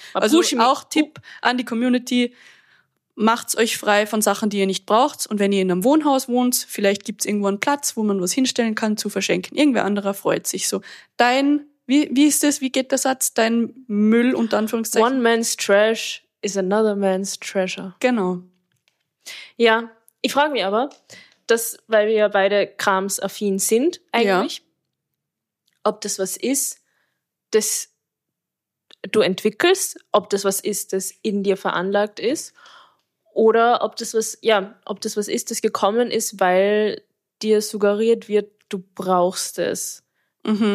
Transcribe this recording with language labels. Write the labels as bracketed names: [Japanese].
[German] Also auch Tipp an die Community, macht's euch frei von Sachen, die ihr nicht braucht. Und wenn ihr in einem Wohnhaus wohnt, vielleicht gibt's irgendwo einen Platz, wo man was hinstellen kann, zu verschenken. Irgendwer anderer freut sich so. Wie geht der Satz? Dein Müll, unter Anführungszeichen. [English] One man's trash is another man's treasure. [German] Genau. Ja, ich frage mich aber, dass, weil wir ja beide kramsaffin sind, eigentlich, ob das was ist, das du entwickelst, ob das was ist, das in dir veranlagt ist, oder ob das was, ja, ob das was ist, das gekommen ist, weil dir suggeriert wird, du brauchst es. Mhm.